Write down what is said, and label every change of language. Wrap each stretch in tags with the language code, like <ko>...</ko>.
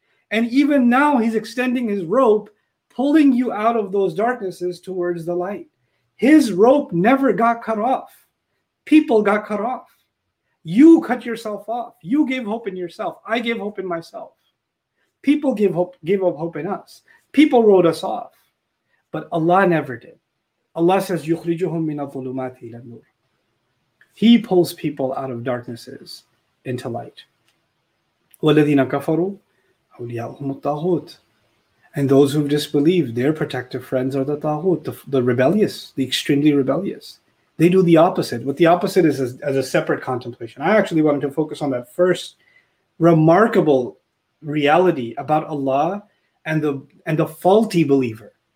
<en>And even now, He's extending His rope, pulling you out of those darknesses towards the light. His rope never got cut off. People got cut off. You cut yourself off. You gave hope in yourself. I gave hope in myself. People gave up hope in us. People wrote us off. But Allah never did. Allah says,</en> <ar>يُخْرِجُهُم مِّنَ الظُّلُمَاتِ إِلَى النُّورِ.</ar> <en>He pulls people out of darknesses into light.</en> <ar>وَالَّذِينَ كَفَرُوا أَوْلِيَاؤُهُمُ الطَّاغُوتِ.</ar> <en>And those who've disbelieved, their protective friends are the taghut, the rebellious, the extremely rebellious. They do the opposite. What the opposite is as a separate contemplation. I actually wanted to focus on that first remarkable reality about Allah and the faulty believer.</en>